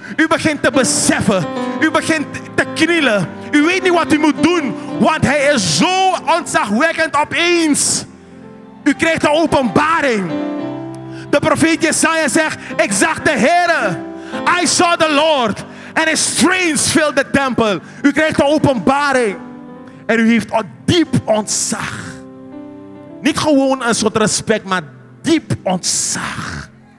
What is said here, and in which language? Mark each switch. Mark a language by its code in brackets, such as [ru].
[nl] U begint te beseffen. U begint te knielen. U weet niet wat u moet doen. Want hij is zo ontzagwekkend opeens. U krijgt de openbaring. De profeet Jesaja zegt, ik zag de Heere. [en] I saw the Lord. And his strength filled the temple. [nl] U krijgt de openbaring. En u heeft een diep ontzag. Niet gewoon een soort respect, maar diep ontzag.